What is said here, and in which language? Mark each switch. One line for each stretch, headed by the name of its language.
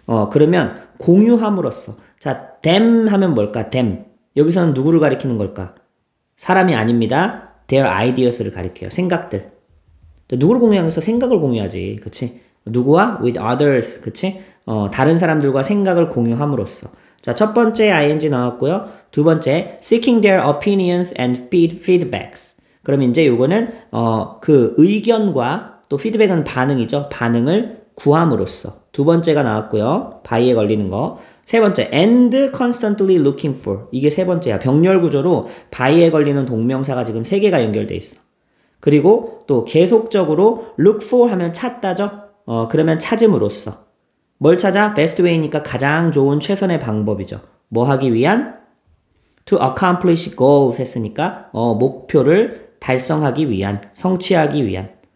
Korean: 그러면 공유함으로써. 자, them 하면 뭘까? them. 여기서는 누구를 가리키는 걸까? 사람이 아닙니다.
English: their ideas
Korean: 를 가리켜요. 생각들. 누구를 공유하면서 생각을 공유하지. 그치? 누구와?
English: with others.
Korean: 그치? 다른 사람들과 생각을 공유함으로써. 자, 첫 번째 ing 나왔고요. 두 번째,
English: seeking their opinions and feedbacks.
Korean: 그럼 이제 요거는, 그 의견과 또 피드백은 반응이죠. 반응을 구함으로써. 두 번째가 나왔고요. by에 걸리는 거. 세 번째,
English: and constantly looking for.
Korean: 이게 세 번째야. 병렬 구조로 by에 걸리는 동명사가 지금 세 개가 연결돼 있어. 그리고 또 계속적으로
English: look for
Korean: 하면 찾다죠? 그러면 찾음으로써. 뭘 찾아?
English: best way
Korean: 니까 가장 좋은 최선의 방법이죠. 뭐 하기 위한?
English: to accomplish goals
Korean: 했으니까, 목표를 달성하기 위한, 성취하기 위한.